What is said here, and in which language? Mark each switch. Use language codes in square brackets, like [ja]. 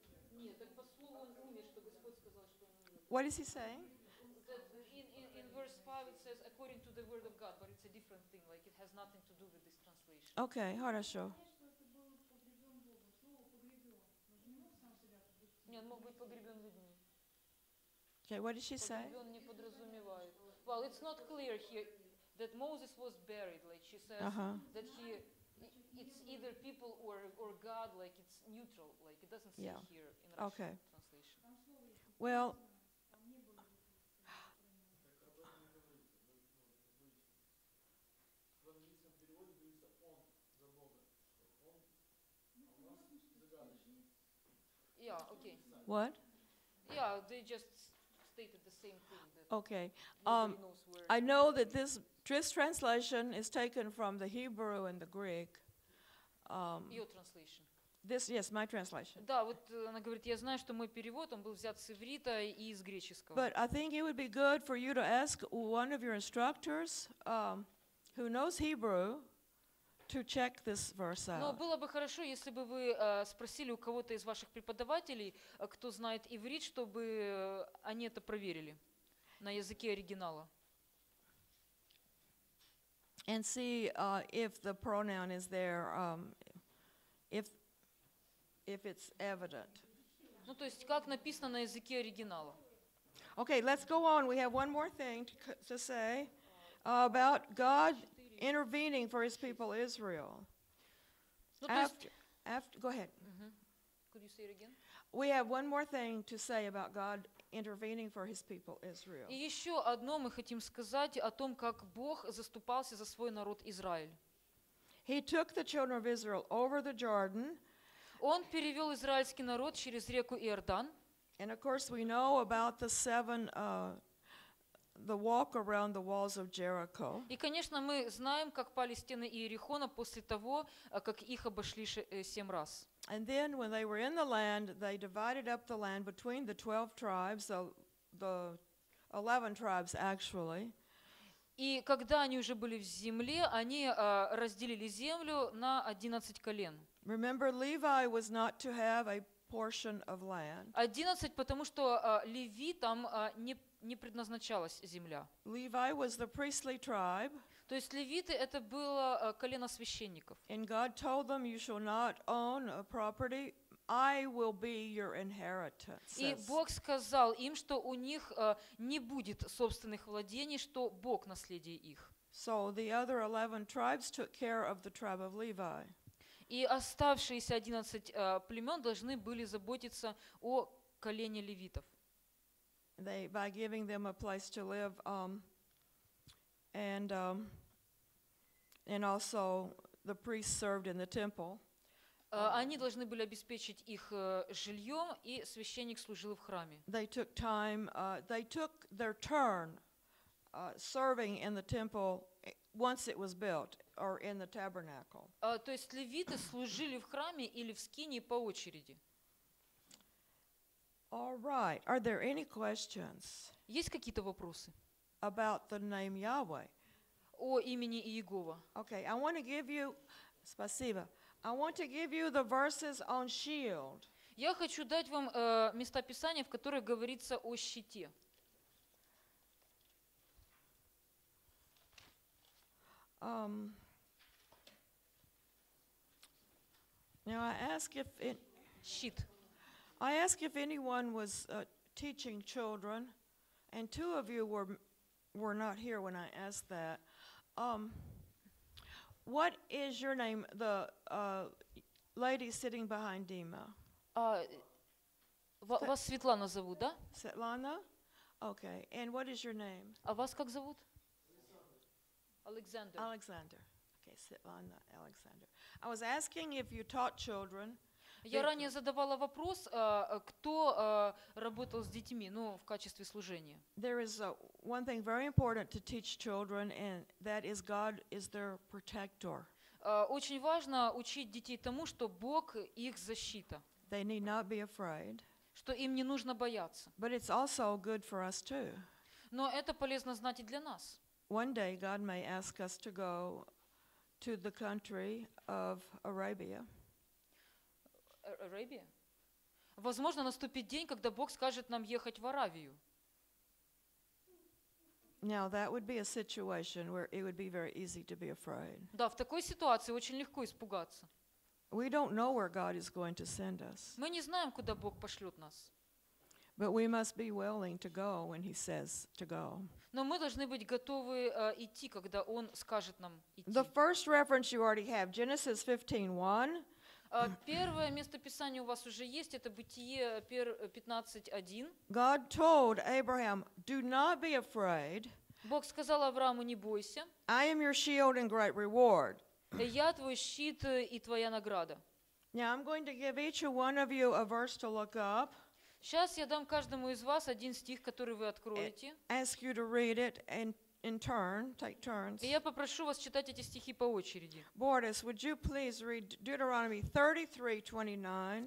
[ru] Нет, так по слову он умер, что Господь сказал, что он умер. [en] What is he saying? In verse 5 it says according to the word of God, but it's a different thing, like it has nothing to do with this translation. Okay, [ru] хорошо. Нет, мог быть погребён людьми. [en] Okay, what did she say? [ru] Погребён не подразумевает. [en] Well, it's not clear here that Moses was buried, like she says that he it's either people or God, like it's neutral, like it doesn't say here in Russian translation. Well, okay. What? Yeah, they just stated the same thing. Okay. I know that this translation is taken from the Hebrew and the Greek. Your translation. This, yes, my translation. [ru] Да, вот она говорит, я знаю, что мой перевод, он был взят с иврита и из греческого. [en] But I think it would be good for you to ask one of your instructors who knows Hebrew to check this verse out. [ru] Но было бы хорошо, если бы вы спросили у кого-то из ваших преподавателей, кто знает иврит, чтобы они это проверили на языке оригинала. [en] And see if the pronoun is there, if it's evident. [ru] Ну, то есть, как написано на языке оригинала. [en] Okay, let's go on. We have one more thing to say about God intervening for his people Israel. After, go ahead. Mm-hmm. Could you say it again? We have one more thing to say about God intervening for his people Israel. [ru] И еще одно мы хотим сказать о том, как Бог заступался за свой народ Израиль. [en] He took the children of Israel over the Jordan. [ru] Он перевел израильский народ через реку Иордан. [en] And of course we know about the seven the walk around the walls of Jericho. [ru] И, конечно, мы знаем, как пали стены Иерихона после того, как их обошли 7 раз. [en] And then when they were in the land, they divided up the land between the 12 tribes, the 11 tribes actually. [ru] И когда они уже были в земле, они разделили землю на 11 колен. [en] Remember, Levi was not to have a portion of land. [ru] 11, потому что Леви там не предназначалась земля. [en] Levi was the priestly tribe. [ru] То есть левиты это было колено священников. [en] And God told them, you shall not own a property. I will be your inheritance. [ru] И Бог сказал им, что у них не будет собственных владений, что Бог наследие их. [en] So the other 11 tribes took care of the tribe of Levi. [ru] И оставшиеся 11 племен должны были заботиться о колене левитов. [en] They by giving them a place to live and also the priests served in the temple. [ru] Они должны были обеспечить их жильем, и священник служил в храме. [en] They took time, they took their turn serving in the temple once it was built or in the tabernacle. [ru] То есть левиты служили в храме или в скинии по очереди. [en] All right. Are there any questions? [ru] Есть какие-то вопросы? [en] About the name Yahweh. [ru] О имени Иегова. [en] Okay, I want to give you [ru] спасибо. [en] I want to give you the verses on shield. [ru] Я хочу дать вам места писания, в которых говорится о щите. [en] Now I ask if it [ru] щит. [en] I ask if anyone was teaching children, and two of you were not here when I asked that. What is your name, the lady sitting behind Dima? [ru] Вас Светлана зовут, да? [en] Светлана? Okay. And what is your name? [ru] А вас как зовут? [en] Alexander. Alexander. Okay, Светлана, Alexander. I was asking if you taught children. [ru] Я ранее задавала вопрос, кто работал с детьми, ну, в качестве служения. [en] There is one thing very important to teach children, and that is God is their protector. [ru] Очень важно учить детей тому, что Бог их защита. [en] They need not be afraid. [ru] Что им не нужно бояться. [en] But it's also good for us too. [ru] Но это полезно знать и для нас. [en] One day God may ask us to go to the country of Arabia. Arabia? [ru] Возможно, наступит день, когда Бог скажет нам ехать в Аравию. [en] Now that would be a situation where it would be very easy to be afraid. [ru] Да, в такой ситуации очень легко испугаться. [en] We don't know where God is going to send us. [ru] Мы не знаем, куда Бог пошлёт нас. [en] But we must be willing to go when he says to go. [ru] Но мы должны быть готовы идти, когда он скажет нам идти. [en] The first reference you already have, Genesis 15:1. [ru] Первое местописание у вас уже есть, это Бытие 15:1. [en] God told Abraham, "Do not be afraid." [ru] Бог сказал Аврааму: "Не бойся." [en] I am your shield and great reward. [ru] Я твой щит и твоя награда. [en] Now I'm going to give each one of you a verse to look up. [ru] Сейчас я дам каждому из вас один стих, который вы откроете. [en] Ask you to read it in turn, take turns. [ru] И я попрошу вас читать эти стихи по очереди. [en] Boris, would you please read Deuteronomy 33:29?